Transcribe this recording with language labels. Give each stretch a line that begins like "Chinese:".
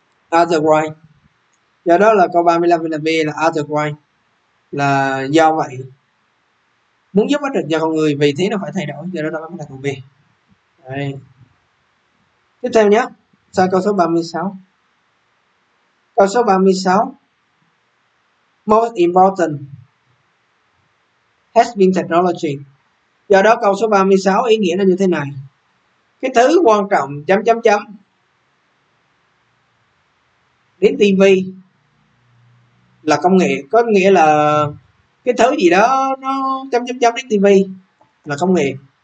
English: Otherwise.
Vietnamese: Do đó là câu 35 là B, là otherwise, là do vậy muốn giúp ích được cho con người vì thế nó phải thay đổi, do đó nó mới là câu B. Đây. Tiếp theo nhé, sang câu số 36. Câu số 36,
English: most important has been technology.
Vietnamese: Do đó câu số 36 ý nghĩa là như thế này: cái thứ quan trọng chấm chấm chấm đến TV là công nghệ, có nghĩa là cái thứ gì đó nó chấm chấm chấm đến TV là công nghệ.